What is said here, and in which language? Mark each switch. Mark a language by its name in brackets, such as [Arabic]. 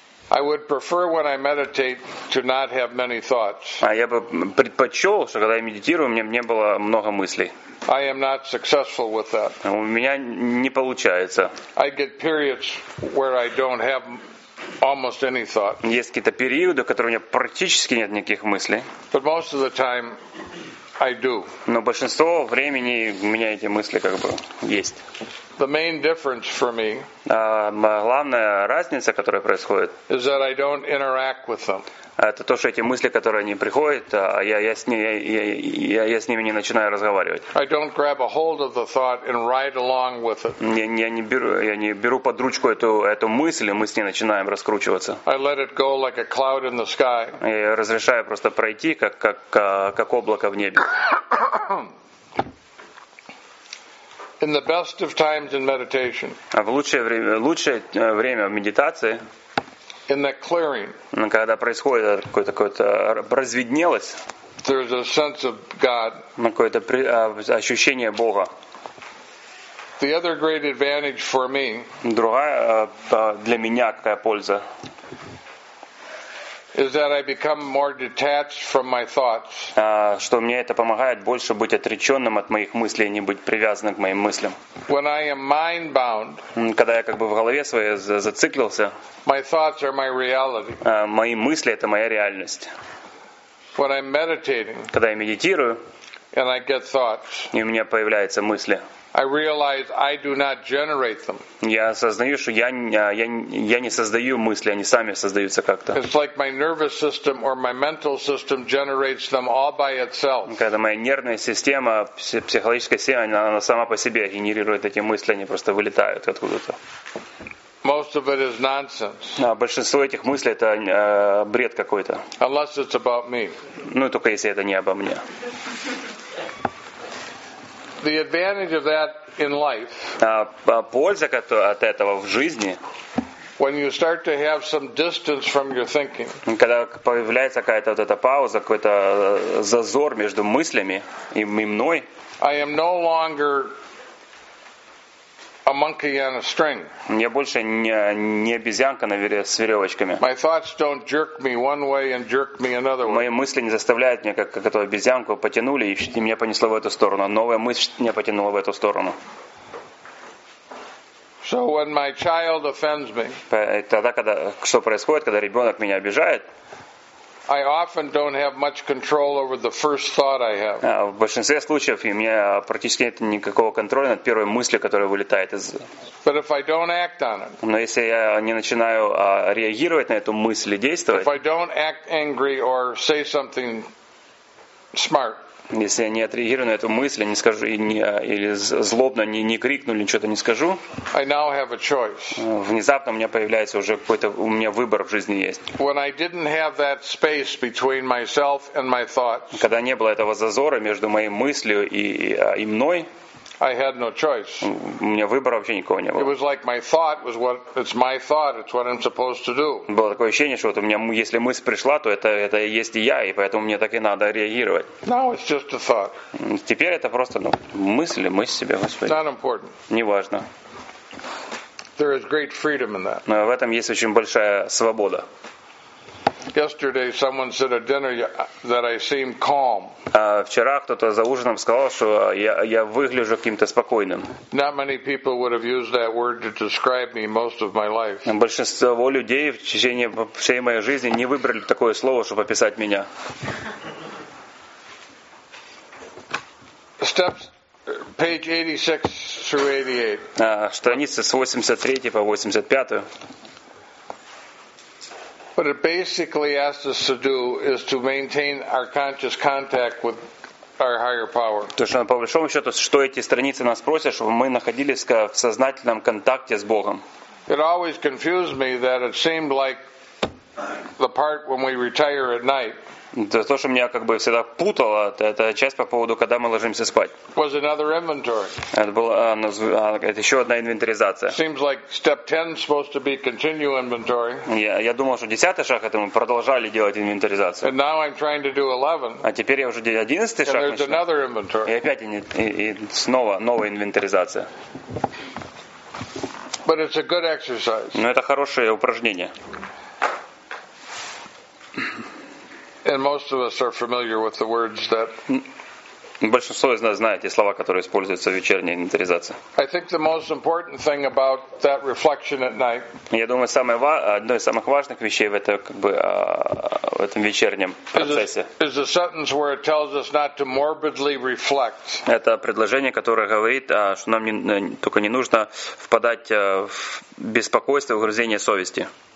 [English] I would prefer when I meditate to not have many thoughts. [Russian] А я бы предпочел, что когда я медитирую, у меня не было много мыслей. [English] I am not successful with that. [Russian] У меня не получается. [English] I get periods where I don't have almost any thought. [Russian] Есть какие-то периоды, которые у меня практически нет никаких мыслей. [English] But most of the time I do. [Russian] Но большинство времени у меня эти мысли как бы есть. [English] The main difference for me. [Russian] Главная разница, которая происходит. [English] Is that I don't interact with them. [Russian] Это то, что эти мысли, которые не приходят, я с ними не начинаю разговаривать. [English] I don't grab a hold of the thought and ride along with it. [Russian] Я не беру под ручку эту мысль, и мы с ней начинаем раскручиваться. [English] I let it go like a cloud in the sky. [Russian] Я разрешаю просто пройти, как облако в небе. [English] In the best of times in meditation. [Russian] А в лучшее время в медитации. [English] In that clearing. [Russian] Когда происходит какое-то разведнелось. [English] There's a sense of God. [Russian] Какое-то ощущение Бога. [English] The other great advantage for me. [Russian] Другая для меня какая польза. [English] is that I become more detached from my thoughts. [Russian] Что мне это помогает больше быть отреченным от моих мыслей, не быть привязанным к моим мыслям. [English] When I am mind bound. [Russian] Когда я как бы в голове своей зациклился. [English] My thoughts are my reality. [Russian] Мои мысли это моя реальность. [English] When I'm meditating. [Russian] Когда я медитирую. [English] And I get thoughts. [Russian] И у меня появляются мысли. [English] I realize I do not generate them. [Russian] Я осознаю, что я не создаю мысли, они сами создаются как-то. [English] It's like my nervous system or my mental system generates them all by itself. [Russian] Когда моя нервная система, психологическая система, она сама по себе генерирует эти мысли, они просто вылетают откуда-то. [English] Most of it is nonsense. [Russian] А большинство этих мыслей это бред какой-то. [English] Unless it's about me. [Russian] Ну только если это не обо мне. [English] The advantage of that in life. [Russian] Польза от этого в жизни. [English] When you start to have some distance from your thinking. [Russian] Когда появляется какая-то вот эта пауза, какой-то зазор между мыслями и мной. [English] I am no longer a monkey on a string. [Russian] Я больше не обезьянка с веревочками. [English] My thoughts don't jerk me one way and jerk me another way. [Russian] Мои мысли не заставляют меня как эту обезьянку потянули и меня понесло в эту сторону. Новая мысль меня потянула в эту сторону. [English] So when my child offends me. [Russian] Тогда когда что происходит, когда ребенок меня обижает? [English] I often don't have much control over the first thought I have. [Russian] В большинстве случаев у меня практически нет никакого контроля над первой мыслью, которая вылетает из. [English] But if I don't act on it. [Russian] Но если я не начинаю реагировать на эту мысль и действовать. [English] If I don't act angry or say something smart. [Russian] Если я не отреагирую на эту мысль, не скажу или злобно не крикну, или что-то не скажу. [English] I now have a choice. [Russian] Внезапно у меня появляется уже какой-то у меня выбор в жизни есть. [English] When I didn't have that space between myself and my thoughts. [Russian] Когда не было этого зазора между моей мыслью и мной. [English] I had no choice. [Russian] У меня выбора вообще никого не было. [English] It was like my thought was what it's my thought, it's what I'm supposed to do. [Russian] Было такое ощущение, что вот у меня если мысль пришла, то это есть и я, и поэтому мне так и надо реагировать. [English] Now it's just a thought. [Russian] Теперь это просто мысль себе, Господи. [English] It's not important. [Russian] Неважно. [English] There is great freedom in that. [Russian] Но в этом есть очень большая свобода. [English] Yesterday someone said at dinner that I seem calm. [Russian] Вчера кто-то за ужином сказал, что я выгляжу каким-то спокойным. [English] Not many people would have used that word to describe me most of my life. [Russian] Большинство людей в течение всей моей жизни не выбрали такое слово, чтобы описать меня. [English] Steps page 86 through 88. [Russian] Страницы с 83 по 85. [English] What it basically asks us to do is to maintain our conscious contact with our higher power. [Russian] То есть, по большому счету, что эти страницы нас просят, чтобы мы находились в сознательном контакте с Богом. [English] It always confused me that it seemed like the part when we retire at night. [Russian] То, что меня как бы всегда путало, это часть по поводу, когда мы ложимся спать. [English] Was another inventory. [Russian] Это еще одна инвентаризация. [English] Seems like step 10 supposed to be continue inventory. [Russian] Я думал, что 10-й шаг, это мы продолжали делать инвентаризацию. [English] And now I'm trying to do 11. [Russian] А теперь я уже 11-й шаг. [English] And there's another inventory. [Russian] И опять и снова новая инвентаризация. [English] But it's a good exercise. [Russian] Но это хорошее упражнение. [English] And most of us are familiar with the words that. [Russian] Большинство из нас знает эти слова, которые используются в вечерней инвентаризации. [English] I think the most important thing about that reflection at night. [Russian] Я думаю, одно из самых важных вещей в этом как бы в этом вечернем процессе. [English] Is a sentence where it tells us not to morbidly reflect. [Russian] Это предложение, которое говорит, что нам только не нужно впадать в беспокойство, угрызение совести.